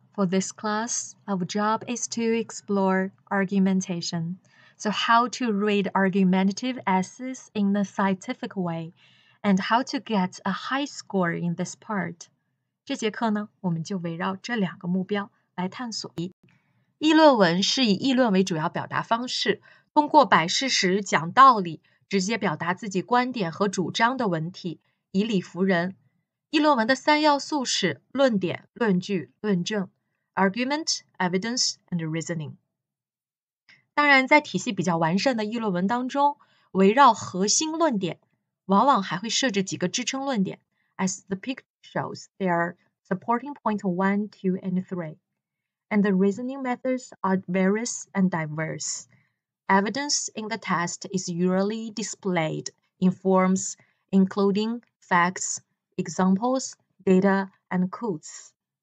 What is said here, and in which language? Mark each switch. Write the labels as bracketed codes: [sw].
[en] For this class, our job is to explore argumentation. So how to read argumentative essays in a scientific way, and how to get a high score in this part. [zh] 这节课呢，我们就围绕这两个目标来探索。议论文是以议论为主要表达方式，通过摆事实、讲道理、直接表达自己观点和主张的文体，以理服人。议论文的三要素是论点、论据、论证 , [en] argument, evidence, and reasoning. [zh] 当然，在体系比较完善的议论文当中，围绕核心论点，往往还会设置几个支撑论点。 [en] As the picture shows, there are supporting points 1, 2, and 3, and the reasoning methods are various and diverse. Evidence in the test is usually displayed in forms including facts, examples, data, and quotes.